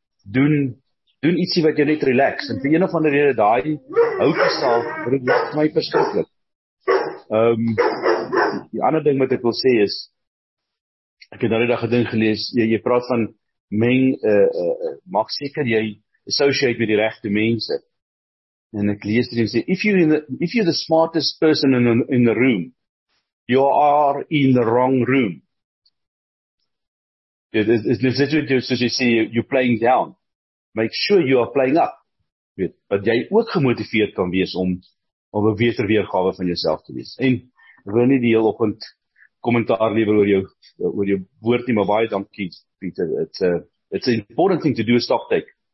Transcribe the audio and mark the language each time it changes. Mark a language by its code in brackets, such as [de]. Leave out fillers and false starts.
[af] Doen ietsie wat jou net relax. En vir een of ander rede daai houtgestaal, dit maak my verskriklik. Die ander ding wat ek wil sê is ek het nou net 'n ding gelees, jy praat van meng maak seker jy associate met die regte mense. En ek lees dit en sê [en] if you're the smartest person in the room, you are in the wrong room. You're playing down. Make sure you are playing up. [af] Weet, wat jy ook gemotiveerd kan wees om 'n beter weergawe van jouself te wees. En ek wil nie die hele oggend kommentaar lewer oor jou woord nie, maar baie dankie Pieter. [en] It's an important thing to do a stock take.